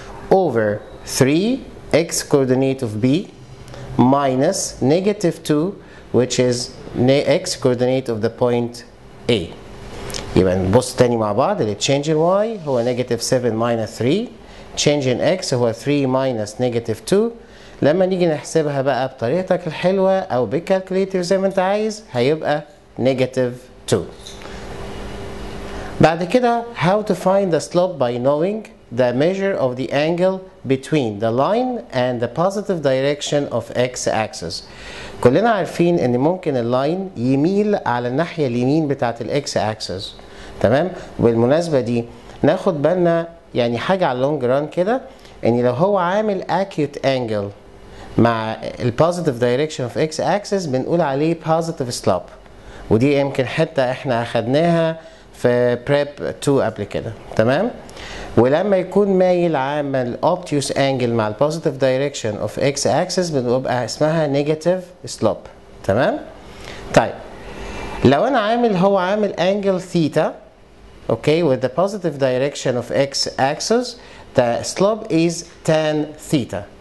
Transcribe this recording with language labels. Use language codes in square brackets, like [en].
[en] over 3 x coordinate of B minus negative 2 which is x coordinate of the point A. [ar] يبقى نبص تاني مع بعض. [en] اللي change in y هو negative 7 minus 3. change in x هو 3 minus negative 2. [ar] لما نيجي نحسبها بقى بطريقتك الحلوة أو بالكالكوليتر زي ما أنت عايز هيبقى [en] negative 2. [ar] بعد كده [en] how to find the slope by knowing the measure of the angle between the line and the positive direction of x axis. [ar] كلنا عارفين ان ممكن اللاين يميل على الناحية اليمين بتاعت الاكس اكسس، تمام؟ وبالمناسبة دي ناخد بالنا يعني حاجة على اللونج ران كده، ان لو هو عامل اكيوت انجل مع البوزيتيف دايركشن اوف اكس اكسس بنقول عليه بوزيتيف سلوب، ودي يمكن حتة احنا اخدناها في بريب 2 قبل كده، تمام؟ ولما يكون مايل عامل اوبتيوس انجل مع البوزيتيف دايركشن اوف اكس اكسس بنبقى اسمها نيجاتيف سلوب، تمام؟ طيب لو انا عامل هو عامل انجل ثيتا [en] okay with the positive direction of x axis the slope is tan theta.